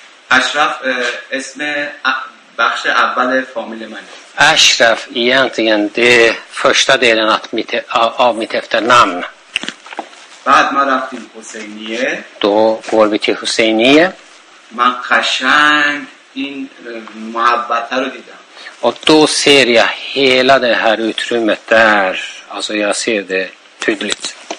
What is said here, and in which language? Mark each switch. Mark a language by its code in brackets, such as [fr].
[fa] Ashraf اسم بخش اول فامیل من. [sv] Ashraf egentligen det första delen att mitt av mitt efternamn. [fa] بعد ما رفتیم حسینیه. [sv] Då går vi till Husseinie. [fa] من قشنگ این محبته رو دیدم. [sv] Och då ser jag hela det här utrymmet där. Alltså jag ser det tydligt.